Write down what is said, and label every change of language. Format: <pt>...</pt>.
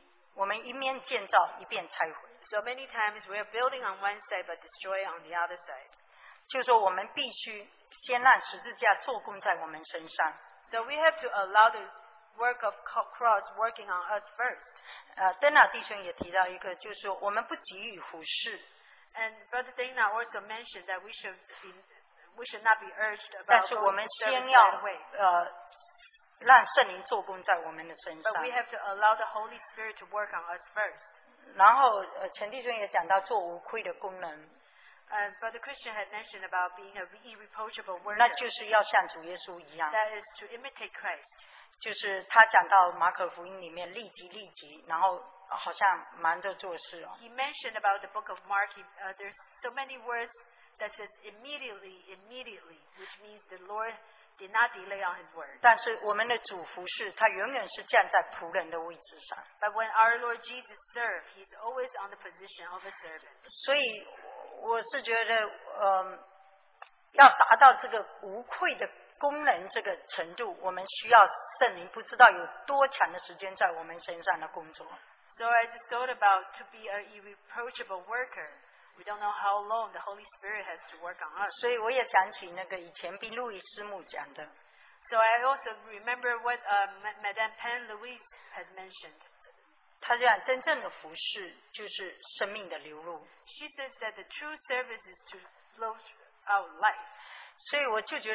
<zh>所以我们常常我们带出来的东西，我们一面建造一边拆毁。</zh> <en>So many times we are building on one side but destroy on the other side.</en> <zh>就说我们必须先让十字架做工在我们身上。</zh> <en>So we have to allow the work of cross working on us first.</en> <zh>Dana 弟兄也提到一个，就是我们不急于服事。</zh> <en>And Brother Dana also mentioned that we should not be urged about going to serve the same way.</en> <zh>但是我们先要让圣灵做工在我们的身上。</zh> <en>But we have to allow the Holy Spirit to work on us first.</en> <zh>然后陈弟兄也讲到做无愧的功能。</zh> <en>Brother Christian had mentioned about being an irreproachable worker.</en> <zh>那就是要像主耶稣一样。</zh> <en>That is to imitate Christ.</en> <zh>就是他讲到马可福音里面立即，然后好像忙着做事哦。</zh> <en>He mentioned about the book of Mark. There's so many words that says immediately, which means the Lord did not delay on his word.</en> <zh>但是我们的主服事, 他永远是站在仆人的位置上。</zh> <en>But when our Lord Jesus served, he's always on the position of a servant.</en> <zh>所以我是觉得, 要达到这个无愧的功能这个程度, 我们需要圣灵, 不知道有多长的时间在我们身上的工作。</zh> <en>So I just thought about to be an irreproachable worker. We don't know how long the Holy Spirit has to work on us.</en> <zh>所以我也想起那个以前宾路易师母讲的。</zh> <en>So I also remember what Madame Pan Louise had mentioned.</en> <zh>她讲真正的服事就是生命的流露。</zh> <en>She says that the true service is to flow out life.</en>